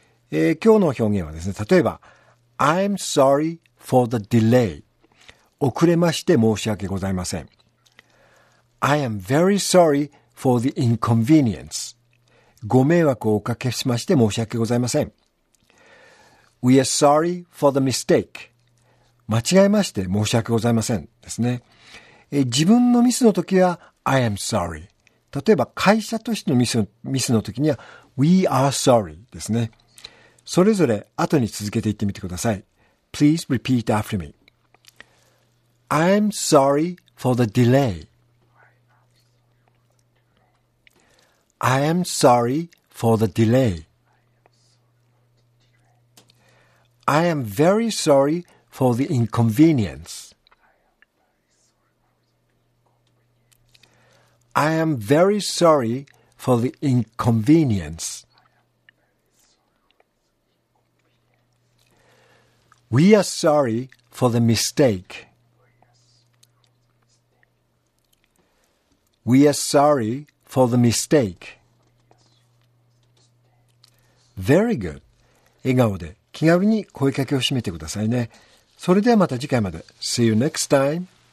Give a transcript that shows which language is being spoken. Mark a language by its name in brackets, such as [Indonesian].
[Japanese] 今日の表現はですね、例えば [English] I'm sorry for the delay。 [Japanese] 遅れまして申し訳ございません。 [English] I am very sorry for the inconvenience。 [Japanese] ご迷惑をおかけしまして申し訳ございません。 [English] We are sorry for the mistake. [Japanese] 間違えまして申し訳ございませんですね。自分のミスの時は [English] I am sorry. [Japanese] 例えば会社としてのミスの時には [English] We are sorry [Japanese] ですね。それぞれ後に続けていってみてください。 [English] Please repeat after me. I am sorry for the delay. I am sorry for the delay. I am very sorry for the inconvenience. I am very sorry for the inconvenience. We are sorry for the mistake. We are sorry for the mistake. Very good. [Japanese] 笑顔で気軽に声かけを締めてくださいね。それではまた次回まで。 [English] See you next time.